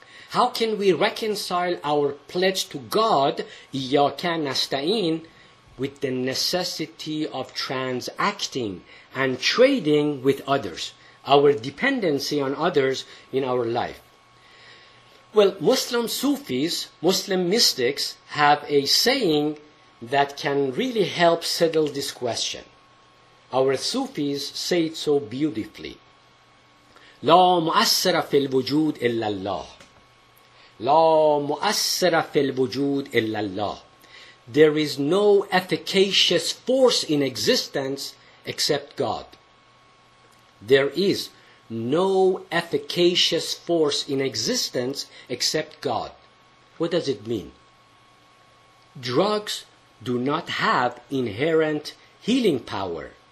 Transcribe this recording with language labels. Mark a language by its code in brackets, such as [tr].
[en] How can we reconcile our pledge to God, Iyyaka Nasta'in, with the necessity of transacting and trading with others, our dependency on others in our life? Well, Muslim Sufis, Muslim mystics, have a saying that can really help settle this question. Our Sufis say it so beautifully. [ar] لا مؤثر في الوجود إلا الله. لا مؤثر في الوجود إلا الله. [en] There is no efficacious force in existence except God. There is no efficacious force in existence except God. What does it mean? Drugs do not have inherent healing power.